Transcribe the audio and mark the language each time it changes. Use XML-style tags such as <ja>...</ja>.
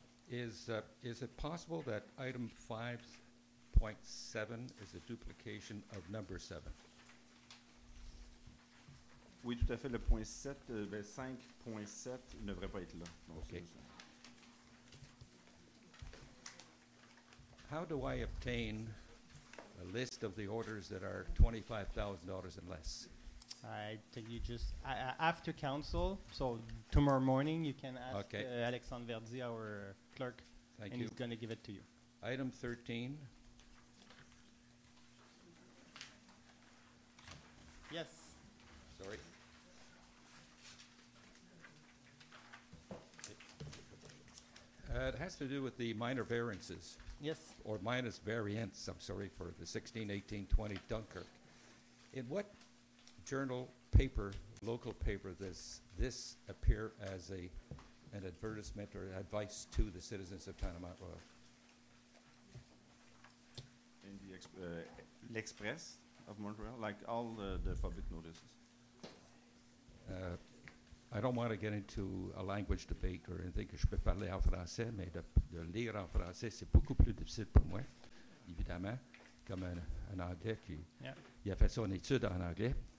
<en>Is it possible that item 5.7 is a duplication of number 7?</en> <fr>Oui, tout à fait. Le point 7, 5.7 ne devrait pas être là. Donc OK.</fr> <en>How do I obtain a list of the orders that are $25,000 and less? I tell you just after council, so tomorrow morning you can ask Alexandre Verdi, our clerk, Thank you. He's going to give it to you. Item 13. Yes. Sorry. It has to do with the minor variances. Yes. Or minus variants, I'm sorry, for the 16-18-20 Dunkirk. In what journal, paper, local paper, does this appear as an advertisement or advice to the citizens of town of Mount Royal? In the L'Express of Montreal, like all the public notices. I don't want to get into a language debate or anything,</en> <fr>que je peux parler en français, mais de lire en français, c'est beaucoup plus difficile pour moi, évidemment, comme un anglais qui il a fait son étude en anglais.</fr>